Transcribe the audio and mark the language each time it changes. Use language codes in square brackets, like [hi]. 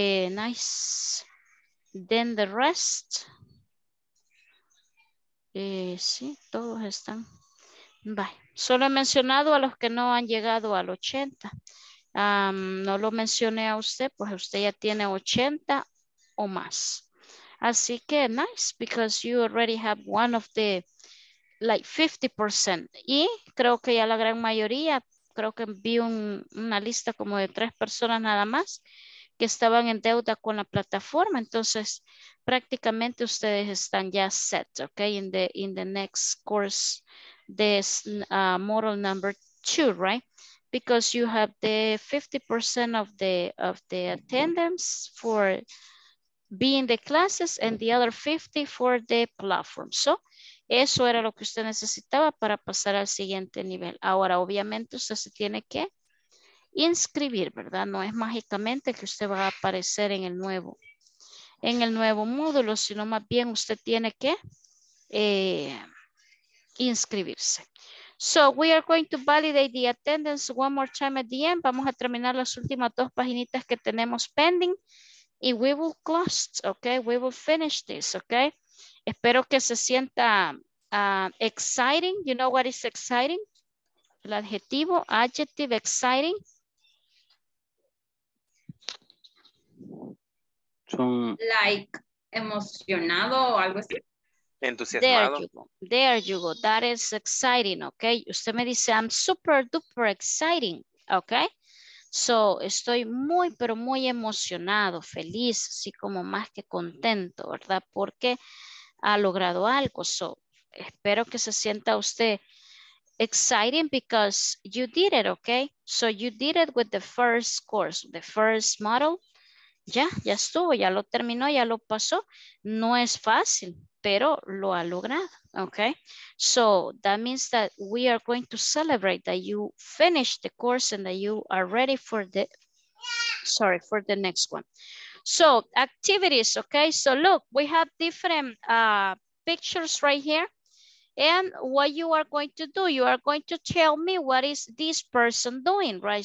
[en] Nice. Then the rest. [es] Sí, todos están. Bye. Solo he mencionado a los que no han llegado al 80. No lo mencioné a usted, pues usted ya tiene 80 o más. Así que [en] nice, because you already have one of the, like 50%. [es] Y creo que ya la gran mayoría, creo que vi una lista como de 3 personas nada más que estaban en deuda con la plataforma. Entonces, prácticamente ustedes están ya [en] set, ok, in the next course, this model number 2, right? Because you have the 50% of the attendance for being the classes and the other 50 for the platform. [es] So, eso era lo que usted necesitaba para pasar al siguiente nivel. Ahora, obviamente, usted se tiene que inscribir, ¿verdad? No es mágicamente que usted va a aparecer en el nuevo módulo, sino más bien usted tiene que inscribirse. [en] So, we are going to validate the attendance one more time at the end. [es] Vamos a terminar las últimas 2 paginitas que tenemos pending. [en] Y we will close, okay? We will finish this, okay? [es] Espero que se sienta exciting. [en] You know what is exciting? [es] El adjetivo, [en] adjective, exciting. [es] Like, emocionado o algo así. Entusiasmado. [en] There you go. That is exciting, okay? [es] Usted me dice, [en] I'm super duper exciting, okay? [es] So, estoy muy, pero muy emocionado, feliz, así como más que contento, ¿verdad? Porque ha logrado algo. So, espero que se sienta usted exciting [en] because you did it, okay? So, you did it with the first course, the first model. [es] Ya estuvo, ya lo terminó, ya lo pasó. No es fácil, pero lo ha logrado, okay? [en] So, that means that we are going to celebrate that you finished the course and that you are ready for the, sorry, for the next one. So, activities, okay? So, look, we have different pictures right here. And what you are going to do, you are going to tell me what is this person doing, right?